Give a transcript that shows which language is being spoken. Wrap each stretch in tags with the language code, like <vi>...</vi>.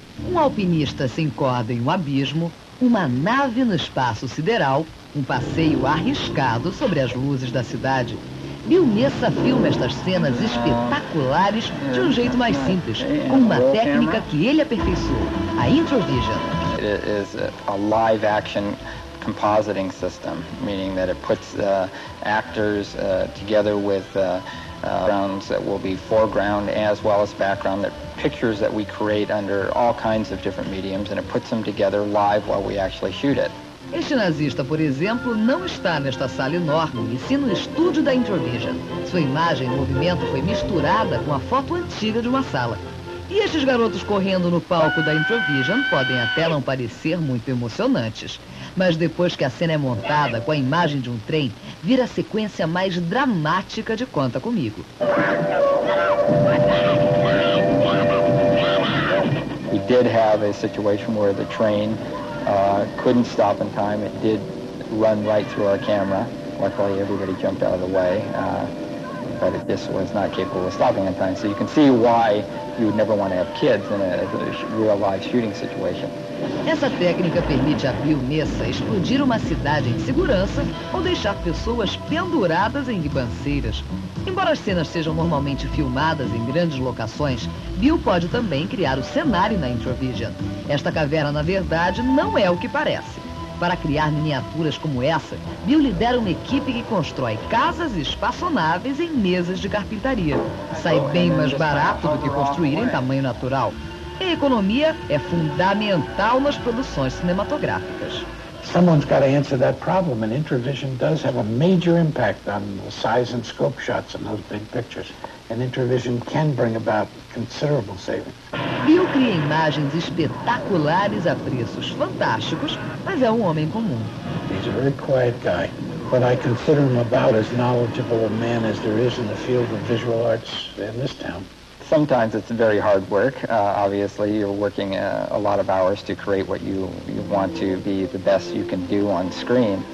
<pt>Um alpinista se encorda em um abismo, uma nave no espaço sideral, um passeio arriscado sobre as luzes da cidade. Bill Nessa filma estas cenas espetaculares de um jeito mais simples, com uma técnica que ele aperfeiçoou, a Introvision.</pt> <en>It is a live action compositing system, meaning that it puts actors together with backgrounds that will be foreground as well as background, that pictures that we create under all kinds of different mediums, and it puts them together live while we actually shoot it.</en> <pt>Este nazista, por exemplo, não está nesta sala enorme, e sim no estúdio da Introvision. Sua imagem em movimento foi misturada com a foto antiga de uma sala. E estes garotos correndo no palco da Introvision podem até não parecer muito emocionantes. Mas depois que a cena é montada com a imagem de um trem, vira a sequência mais dramática de Conta Comigo.</pt> <en>We did have a situation where the train couldn't stop in time. It did run right through our camera. Luckily, everybody jumped out of the way. But this was not capable of stopping in time. So you can see why you would never want to have kids in a real life shooting situation.</en> <pt>Essa técnica permite a Bill Nessa explodir uma cidade em segurança ou deixar pessoas penduradas em ribanceiras. Embora as cenas sejam normalmente filmadas em grandes locações, Bill pode também criar o cenário na Introvision. Esta caverna, na verdade, não é o que parece. Para criar miniaturas como essa, Bill lidera uma equipe que constrói casas e espaçonaves em mesas de carpintaria. Sai bem mais barato do que construir em tamanho natural. A economia é fundamental nas produções cinematográficas.</pt> <en>Someone's got to answer that problem, and Introvision does have a major impact on the size and scope shots in those big pictures. And Introvision can bring about considerable savings.</en> <pt>Bill cria imagens espetaculares a preços fantásticos, mas é um homem comum.</pt> <en>He's a very quiet guy, but I consider him about as knowledgeable a man as there is in the field of visual arts in this town. Sometimes it's very hard work. Obviously, you're working a lot of hours to create what you want to be the best you can do on screen.</en>